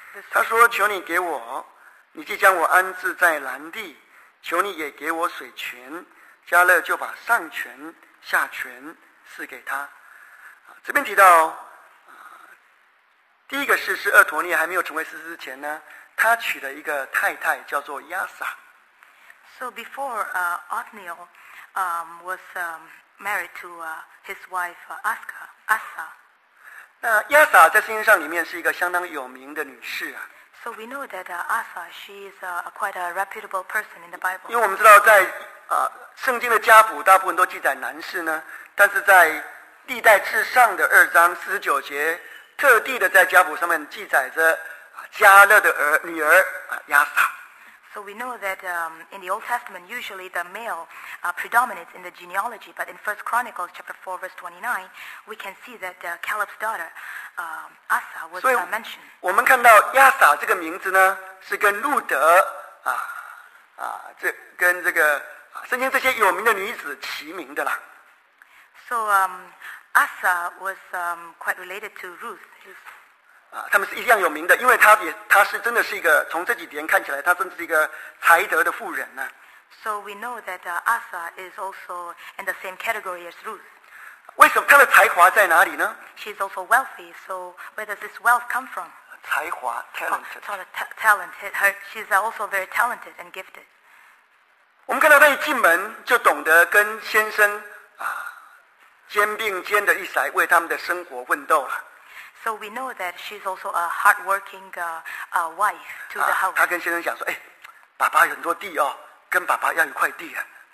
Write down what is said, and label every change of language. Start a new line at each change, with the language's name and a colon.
Chinese: 他说：“求你给我，你既将我安置在蓝地，求你也给我水泉。” 加勒就把上泉、下泉赐给他。这边提到，第一个士师厄陀涅还没有成为士师之前呢，他娶了一个太太叫做亚撒。
English: So before Othniel was married to his wife Asa.
Chinese: 亚撒在圣经上里面是一个相当有名的女士。
English: So we know that Asa, she is quite a reputable person in the Bible.
Chinese: 因为我们知道在圣经的家谱大部分都记载男士呢，但是在历代至上的二章四十九节特地的在家谱上面记载着加勒的女儿亚撒。
English: So we know that in the Old Testament, usually the male predominates in the genealogy, but in 1 Chronicles chapter 4, verse 29, we can see that Caleb's daughter, Asa, was mentioned.
Chinese: 我们看到亚撒这个名字呢，是跟路德这跟这个圣经这些有名的女子齐名的啦。
English: So Asa was quite related to Ruth.
Chinese: 他们是一样有名的，因为他是真的是一个从这几点看起来，他真的是一个才德的妇人呢。
English: So we know that Asa is also in the same category as Ruth.
Chinese: 为什么他的才华在哪里呢
English: ？She's also wealthy. So where does this wealth come from? 才华 talented. Oh, talented. Her she's also very talented and gifted.
Chinese: 我们看到他一进门就懂得跟先生肩并肩的一起来为他们的生活奋斗了。
English: So we know that she's also a hardworking wife to the house.
Chinese: 她跟先生讲说，哎，爸爸有很多地哦，跟爸爸要一块地啊。